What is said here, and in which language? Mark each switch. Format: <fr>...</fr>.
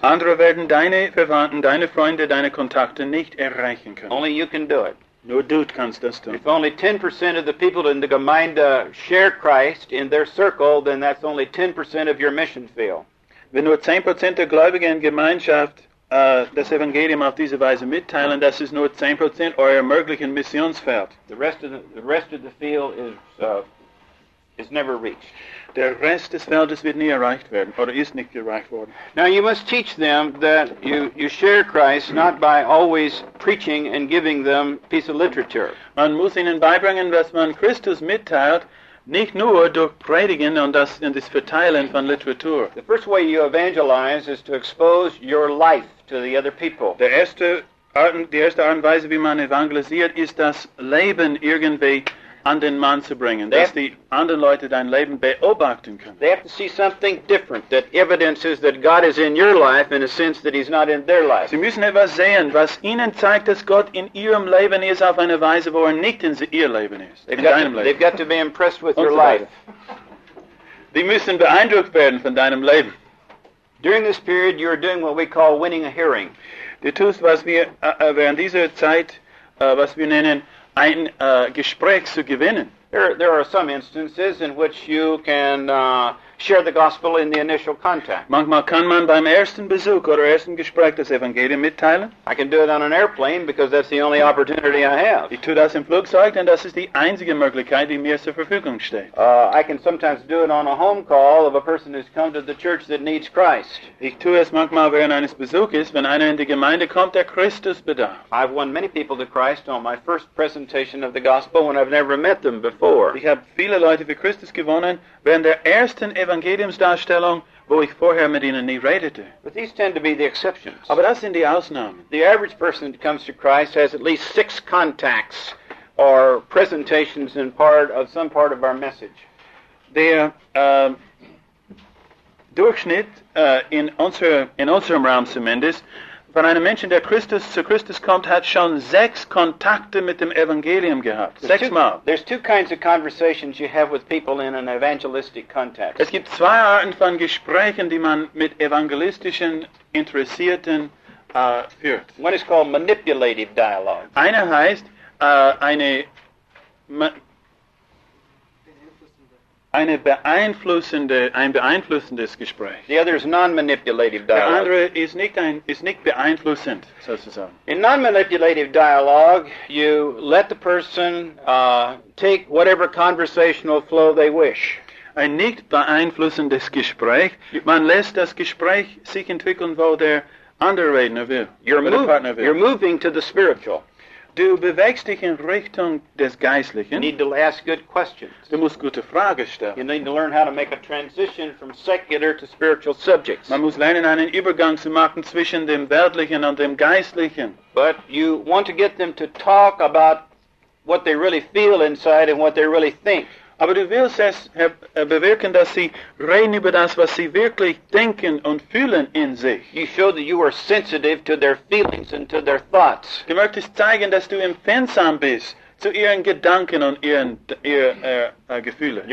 <de>Andere werden deine Verwandten, deine Freunde, deine Kontakte nicht erreichen können.</de> <en>Only you can do it.</en> <de>Nur du kannst das tun.</de> <en>If only 10% of the people in the Gemeinde share Christ in their circle, then that's only 10% of your mission field.</en> <de>Wenn nur 10% der Gläubigen in Gemeinschaft das Evangelium auf diese Weise mitteilen, das ist nur 10% eurer möglichen Missionsfeld.</de> <en>The rest of the field is never reached.</en> <de>Der Rest des Feldes wird nie erreicht werden, oder ist nicht erreicht worden.</de> <en>Now you must teach them that you share Christ not by always preaching and giving them a piece of literature.</en> <de>Man muss ihnen beibringen, dass man Christus mitteilt, nicht nur durch Predigen und das Verteilen von Literatur.</de> <en>The first way you evangelize is to expose your life to the other people.</en> <de>Die erste Art und Weise, wie man evangelisiert, ist das Leben irgendwie an den Mann zu bringen, dass die anderen Leute dein Leben beobachten können.</de> <en>They have to see something different, that evidences that God is in your life in a sense that he's not in their life.</en> <de>Sie müssen etwas sehen, was ihnen zeigt, dass Gott in ihrem Leben ist, auf eine Weise, wo er nicht in ihr Leben ist.</de> <en>They've got to be impressed with your life.</en> <de>Die müssen beeindruckt werden von deinem Leben.</de> <en>During this period, you're doing what we call winning a hearing.</en> <de>Du tust, was wir während dieser Zeit, was wir nennen, ein Gespräch zu gewinnen.</de> <en>There are some instances in which you can share the gospel in the initial contact.</en> <de>Manchmal kann man beim ersten Besuch oder ersten Gespräch das Evangelium mitteilen.</de> <en>I can do it on an airplane because that's the only opportunity I have.</en> <de>Ich tue das im Flugzeug, denn das ist die einzige Möglichkeit, die mir zur Verfügung steht.</de> <en>I can sometimes do it on a home call of a person who's come to the church that needs Christ.</en> <de>Ich tue es manchmal während eines Besuches, wenn einer in die Gemeinde kommt, der Christus bedarf.</de> <en>I've won many people to Christ on my first presentation of the gospel when I've never met them before.</en> <de>Ich habe viele Leute für Christus gewonnen, während der ersten Evangeliumsdarstellung, wo ich vorher mit ihnen nie redete.</de> <en>But these tend to be the exceptions.</en> <de>Aber das sind die Ausnahmen.</de> <en>The average person that comes to Christ has at least 6 contacts or presentations in part of some part of our message.</en> <de>Der Durchschnitt in unserem Raum zumindest, von einem Menschen, der zu Christus kommt, hat schon 6 Kontakte mit dem Evangelium gehabt. Sechsmal.</de> <en>There's 2 kinds of conversations you have with people in an evangelistic context.</en> <de>Es gibt 2 Arten von Gesprächen, die man mit evangelistischen Interessierten führt.</de> <en>One is called manipulative dialogue.</en> <de>Eine heißt ein beeinflussendes Gespräch.</de> <en>The other is non-manipulative dialogue.</en> <de>Der andere ist nicht beeinflussend, sozusagen.</de> <en>In non-manipulative dialogue, you let the person take whatever conversational flow they wish.</en> <de>Ein nicht beeinflussendes Gespräch, man lässt das Gespräch sich entwickeln, wo der andere Redner will.</de> <en>You're moving to the spiritual.</en> <de>Du bewegst dich in Richtung des Geistlichen.</de> <en>Need to ask good questions.</en> <de>Du musst gute Fragen stellen.</de> <en>You need to learn how to make a transition from secular to spiritual subjects.</en> <de>Man muss lernen, einen Übergang zu machen zwischen dem Weltlichen und dem Geistlichen.</de> <en>But you want to get them to talk about what they really feel inside and what they really think.</en> <de>Aber du willst es bewirken, dass sie reden über das, was sie wirklich denken und fühlen in sich.</de> <en>You show that you are sensitive to their feelings and to their thoughts.</en> <de>Du möchtest zeigen, dass du empfindsam bist zu ihren Gedanken und ihren Gefühlen.</de>